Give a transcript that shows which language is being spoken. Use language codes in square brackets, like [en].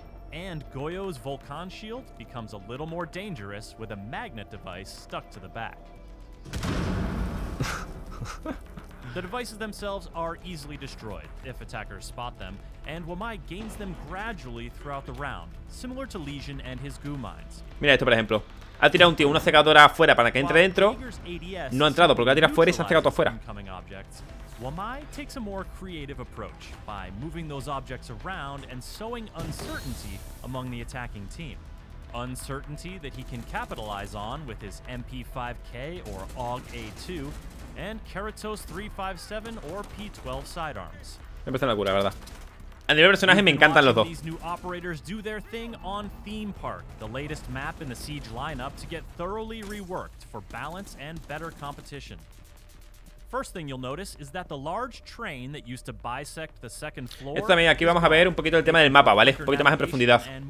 [en] And Goyo's Volcan shield becomes a little more dangerous with a magnet device stuck to the back. The devices themselves are easily destroyed if attackers spot them, and Wamai gains them gradually throughout the round, similar to Legion and his goo mines. [es] Mira esto, por ejemplo. Ha tirado un tío una cegadora afuera para que entre dentro. No ha entrado porque la tira afuera y se ha cegado afuera. [en] Wamai takes a more creative approach by moving those objects around and sowing uncertainty among the attacking team. Uncertainty that he can capitalize on with his MP5K or AUG A2 and Keratos 357 or P12 sidearms. [es] Me parece una locura, ¿verdad? A nivel personaje me encantan los dos. [en] These new operators do their thing on Theme Park, the latest map in the Siege lineup to get thoroughly reworked for balance and better competition. First thing you'll notice is that the large train that used to bisect the second floor. [es] Esto también aquí vamos a ver un poquito el tema del mapa, ¿vale? Un poquito más en profundidad.